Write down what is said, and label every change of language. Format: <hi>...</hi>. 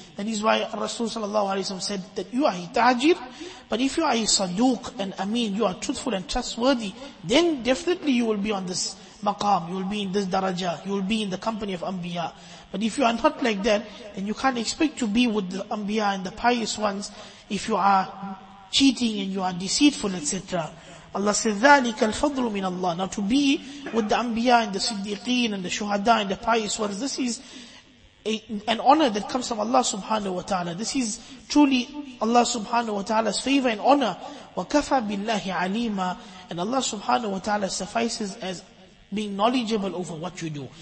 <en>That is why Rasul sallallahu alayhi wa sallam said that you are a tajir, but if you are a saduq and ameen, you are truthful and trustworthy, then definitely you will be on this maqam, you will be in this daraja, you will be in the company of anbiya. But if you are not like that, then you can't expect to be with the anbiya and the pious ones if you are cheating and you are deceitful, etc. Allah said,</en> <ar>ذَلِكَ الْفَضْلُ مِنَ اللَّهِ.</ar> <en>Now to be with the Anbiya and the Siddiqeen and the Shuhada and the pious ones, this is an honor that comes from Allah subhanahu wa ta'ala. This is truly Allah subhanahu wa ta'ala's favor and honor.</en> <ar>وَكَفَى بِاللَّهِ عَلِيمًا.</ar> <en>And Allah subhanahu wa ta'ala suffices as being knowledgeable over what you do.</en>